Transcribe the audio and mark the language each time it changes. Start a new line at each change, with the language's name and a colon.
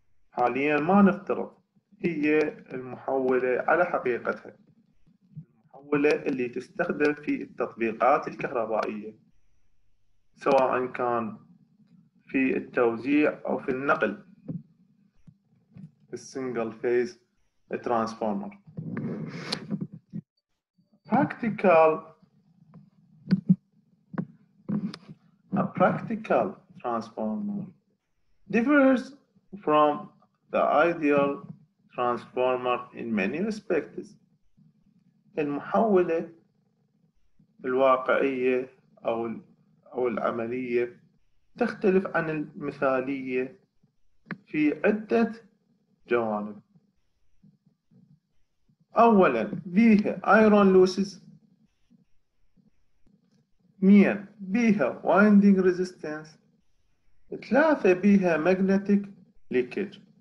Arabic: حاليا ما نفترض، هي المحولة على حقيقتها، المحولة اللي تستخدم في التطبيقات الكهربائية سواء كان في التوزيع أو في النقل، السنجل فيز ترانسفورمر.
English: Practical a practical transformer differs from the ideal transformer in many respects.
Arabic: المحولة الواقعية أو العملية تختلف عن المثالية في عدة جوانب. أولا بيها iron losses، مين بيها winding resistance، ثلاثة بيها magnetic leakage.